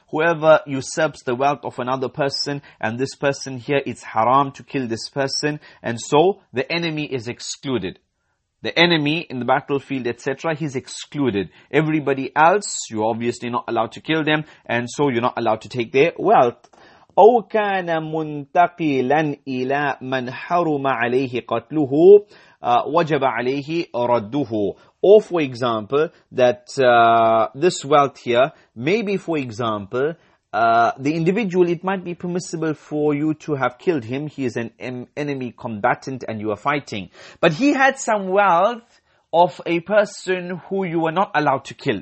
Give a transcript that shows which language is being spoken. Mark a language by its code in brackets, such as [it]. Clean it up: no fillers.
[en] Whoever usurps the wealth of another person, and this person here, it's haram to kill this person, and so the enemy is excluded. The enemy in the battlefield, etc., he's excluded. Everybody else, you're obviously not allowed to kill them, and so you're not allowed to take their wealth. [ar] أو كان منتقلا إلى من حرم عليه قتله وجب عليه رده. [en] Or for example, that this wealth here, maybe for example, the individual, it might be permissible for you to have killed him. He is an enemy combatant and you are fighting. But he had some wealth of a person who you were not allowed to kill.